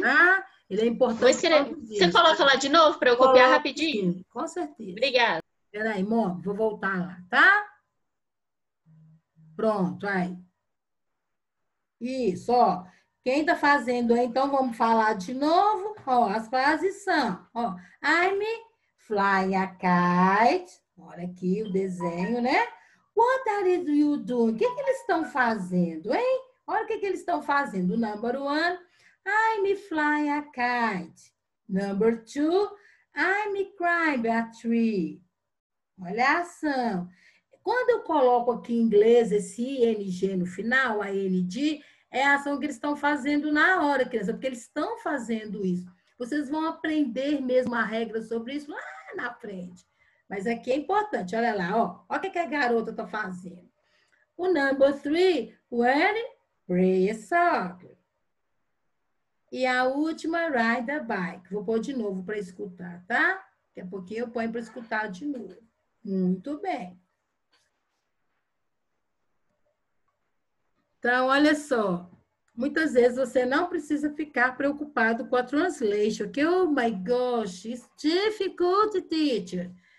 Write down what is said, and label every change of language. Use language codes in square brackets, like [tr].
[pt] Tá? Ele é importante. Vou escrever. Por causa disso, você coloca lá de novo para eu copiar rapidinho? Sim, com certeza. Obrigada. Peraí, mó, vou voltar lá, tá? Pronto, aí. Isso, ó. Quem tá fazendo aí, então vamos falar de novo. Ó, as frases são, ó, [en] I'm flying a kite. [pt] Olha aqui o desenho, né? [en] What are you doing? [pt] O que que eles estão fazendo, hein? Olha o que que eles estão fazendo. [en] Number one, I'm flying a kite. Number two, I'm climbing a tree. [pt] Olha a ação. Quando eu coloco aqui em inglês esse ing no final, a ing, é a ação que eles estão fazendo na hora, criança, porque eles estão fazendo isso. Vocês vão aprender mesmo a regra sobre isso lá na frente. Mas aqui é importante, olha lá, ó. Olha o que a garota está fazendo. [en] O number three, where play soccer. [pt] E a última, [en] ride a bike. [pt] Vou pôr de novo para escutar, tá? Daqui a pouquinho eu ponho para escutar de novo. Muito bem. Então, olha só, muitas vezes você não precisa ficar preocupado com a translation, que, [en] oh my gosh, it's difficult, teacher.